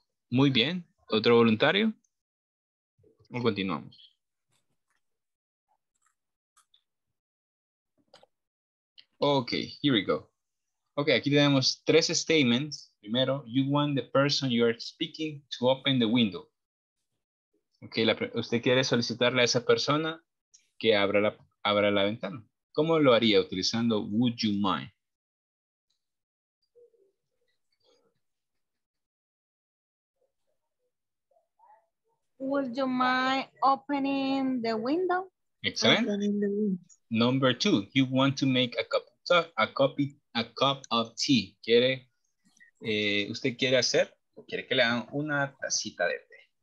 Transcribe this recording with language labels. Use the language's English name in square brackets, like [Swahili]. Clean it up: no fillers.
[Spanish] Muy bien. ¿Otro voluntario? ¿O continuamos? Ok, [English] here we go. [Spanish] Ok, aquí tenemos tres statements. [English] Primero, you want the person you are speaking to open the window. [Spanish] Ok, usted quiere solicitarle a esa persona que abra la ventana. ¿Cómo lo haría? Utilizando would you mind. [English] Would you mind opening the window? Excellent. Number two, you want to make a cup of tea. [Spanish] ¿Quiere, usted quiere hacer? ¿Quiere que le hagan una tacita de té?